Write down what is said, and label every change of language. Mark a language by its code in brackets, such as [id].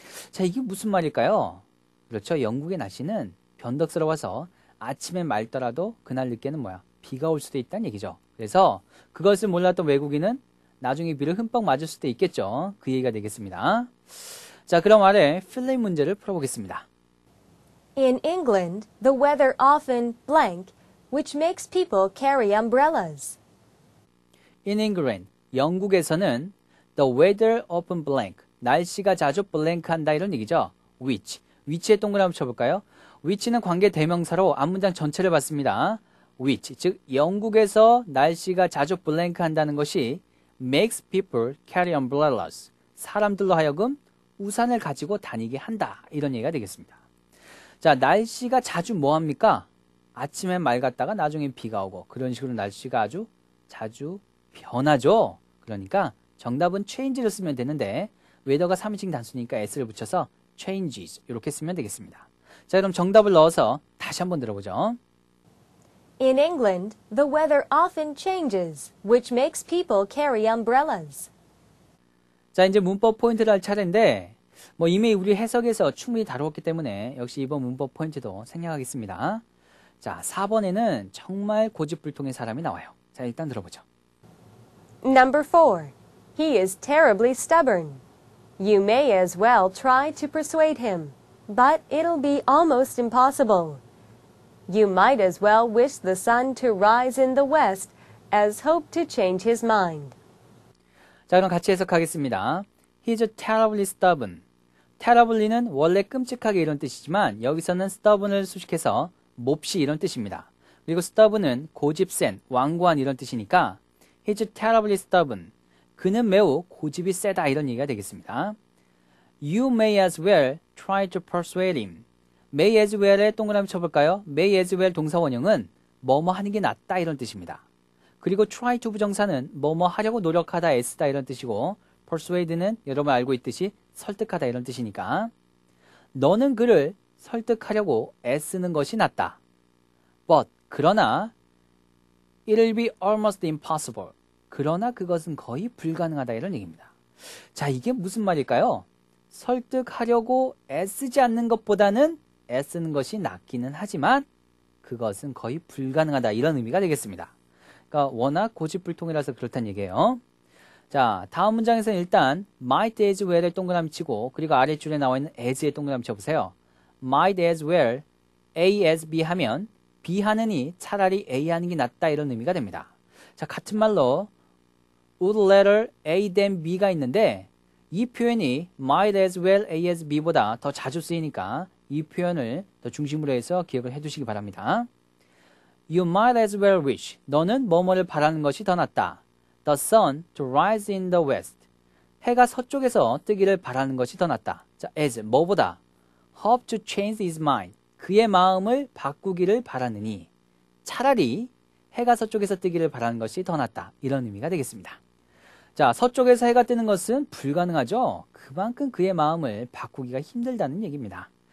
[ko] 자, 이게 무슨 말일까요? 그렇죠? 영국의 날씨는 변덕스러워서 아침에 맑더라도 그날 늦게는 뭐야? 비가 올 수도 있다는 얘기죠. 그래서 그것을 몰랐던 외국인은 나중에 비를 흠뻑 맞을 수도 있겠죠. 그 얘기가 되겠습니다. 자, 그럼 아래 필링 문제를 풀어보겠습니다. [en] In England, the weather often blank, which makes people carry umbrellas. In England, [ko] 영국에서는 [en] the weather often blank, [ko] 날씨가 자주 blank한다 이런 얘기죠. Which, which에 동그라미 쳐볼까요? Which는 관계 대명사로 앞문장 전체를 봤습니다. Which, 즉 영국에서 날씨가 자주 blank한다는 것이 [en] makes people carry umbrellas, [ko] 사람들로 하여금 우산을 가지고 다니게 한다 이런 얘기가 되겠습니다. 자, 날씨가 자주 뭐합니까? 아침에 맑았다가 나중에 비가 오고 그런 식으로 날씨가 아주 자주 변하죠. 그러니까 정답은 change를 쓰면 되는데 weather가 3인칭 단수니까 s를 붙여서 changes 이렇게 쓰면 되겠습니다. 자, 그럼 정답을 넣어서 다시 한번 들어보죠. [en] In England, the weather often changes, which makes people carry umbrellas. [ko] 자, 이제 문법 포인트를 할 차례인데 뭐 이미 우리 해석에서 충분히 다루었기 때문에 역시 이번 문법 포인트도 생략하겠습니다. 자, 4번에는 정말 고집불통인 사람이 나와요. 자, 일단 들어보죠. [en] Number 4. He is terribly stubborn. You may as well try to persuade him, but it'll be almost impossible. You might as well wish the sun to rise in the west as hope to change his mind. [ko] 자, 그럼 같이 해석하겠습니다. [en] He's a terribly stubborn. [ko] Terribly는 원래 끔찍하게 이런 뜻이지만 여기서는 stubborn을 수식해서 몹시 이런 뜻입니다. 그리고 stubborn은 고집센, 완고한 이런 뜻이니까 [en] He's a terribly stubborn. [ko] 그는 매우 고집이 세다 이런 얘기가 되겠습니다. [en] You may as well try to persuade him. [ko] May as well에 동그라미 쳐볼까요? May as well 동사 원형은 뭐뭐 하는 게 낫다 이런 뜻입니다. 그리고 try to 부정사는 뭐뭐 하려고 노력하다, 애쓰다 이런 뜻이고 persuade는 여러분 알고 있듯이 설득하다 이런 뜻이니까 너는 그를 설득하려고 애쓰는 것이 낫다. [en] But, [ko] 그러나 [en] it'll be almost impossible. [ko] 그러나 그것은 거의 불가능하다 이런 얘기입니다. 자, 이게 무슨 말일까요? 설득하려고 애쓰지 않는 것보다는 애쓰는 것이 낫기는 하지만 그것은 거의 불가능하다 이런 의미가 되겠습니다. 그러니까 워낙 고집불통이라서 그렇다는 얘기예요. 자, 다음 문장에서는 일단 might as well을 동그라미 치고 그리고 아랫줄에 나와 있는 as에 동그라미 쳐보세요. [en] might as well a as b [ko] 하면 b 하느니 차라리 a 하는 게 낫다 이런 의미가 됩니다. 자, 같은 말로 [en] would rather a than b [ko] 가 있는데 이 표현이 [en] might as well a as b [ko] 보다 더 자주 쓰이니까 이 표현을 더 중심으로 해서 기억을 해두시기 바랍니다. [en] You might as well wish. [ko] 너는 뭐뭐를 바라는 것이 더 낫다. [en] The sun to rise in the west. [ko] 해가 서쪽에서 뜨기를 바라는 것이 더 낫다. [en] 자, as, [ko] 뭐보다. [en] Hope to change his mind. [ko] 그의 마음을 바꾸기를 바라느니. 차라리 해가 서쪽에서 뜨기를 바라는 것이 더 낫다. 이런 의미가 되겠습니다. 자, 서쪽에서 해가 뜨는 것은 불가능하죠. 그만큼 그의 마음을 바꾸기가 힘들다는 얘기입니다.